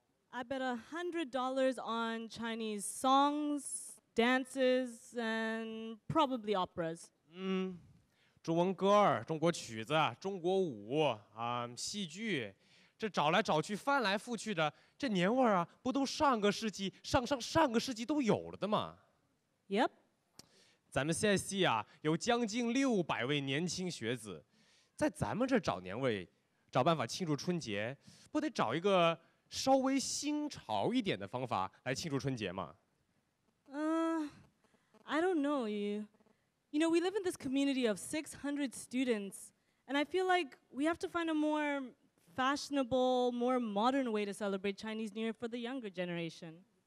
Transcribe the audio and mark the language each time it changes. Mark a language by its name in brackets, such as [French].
[English] I bet $100 on Chinese songs, dances, and probably operas. [Chinese] 中文歌、中国曲子、中国舞啊、戏剧，这找来找去、翻来覆去的，这年味儿啊，不都上个世纪、上上上个世纪都有了的吗 [English] ？Yep. [Chinese] 咱们现在系啊，有将近600位年轻学子，在咱们这找年味，找办法庆祝春节，不得找一个稍微新潮一点的方法来庆祝春节吗？ [English] I don't know you. You know, we live in this community of 600 students, and I feel like we have to find a more fashionable, more modern way to celebrate Chinese New Year for the younger generation.